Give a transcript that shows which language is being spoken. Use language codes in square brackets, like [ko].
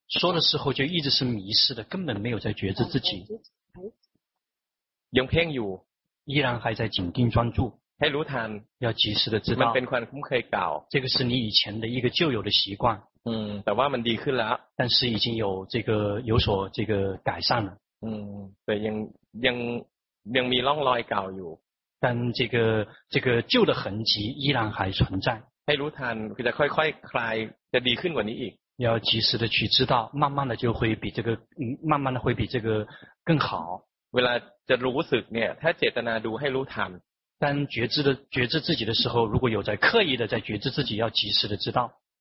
[zh] 说的时候就一直是迷失的，根本没有在觉知自己。 [th] ยังเพ่งอยู่， [zh] 依然还在紧盯专注。 [th] ให้รู้ทัน， [zh] 要及时的知道。 [th] มันเป็นความคุ้มเคยเก่า， [zh] 这个是你以前的一个旧有的习惯。 [th] 嗯，แต่ว่ามันดีขึ้นแล้ว， [zh] 但是已经有所这个改善了。 [th] 嗯， [zh] 对， [th] ยังมีร่องรอยเก่าอยู่ [zh] ，但这个旧的痕迹依然还存在。 [th] ให้รู้ทันคือจะค่อยๆ คลายจะดีขึ้นกว่านี้อีก [zh] 要及时的去知道慢慢的就会比这个慢慢的会比这个更好 [th] เวลาจะรู้สึกเนี่ยถ้าเจตนาดูให้รู้ทัน [zh] 当觉知自己的时候如果有在刻意的在觉知自己要及时的知道